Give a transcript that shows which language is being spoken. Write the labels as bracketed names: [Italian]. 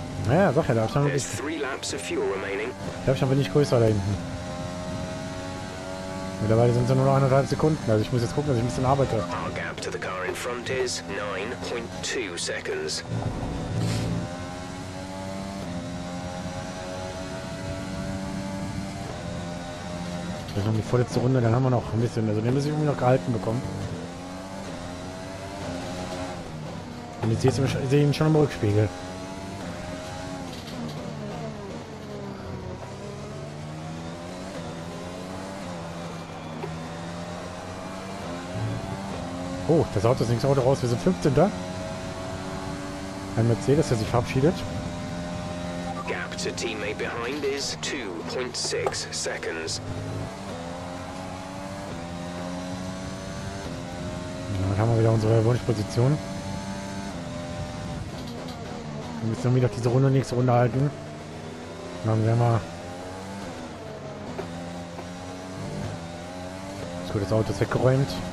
[German] Ja, doch, ja, der Abstand ist. Der Abstand wird nicht größer da hinten. Mittlerweile sind es nur noch 1,5 Sekunden. Also, ich muss jetzt gucken, dass ich ein bisschen arbeite. [English] Our gap to the car in front is 9.2 seconds. [German] Das ist noch die vorletzte Runde, dann haben wir noch ein bisschen. Also, den muss ich irgendwie noch gehalten bekommen. Und jetzt sehe ich ihn schon im Rückspiegel. Oh, das Auto ist nicht so raus. Wir sind 15. Ein Mercedes, der sich verabschiedet. [English] Gap to teammate behind is 2.6 seconds. [German] Dann haben wir wieder unsere Wunschposition. Wir müssen wieder diese Runde und nächste Runde halten. Dann werden wir. Ist gut, das Auto ist weggeräumt.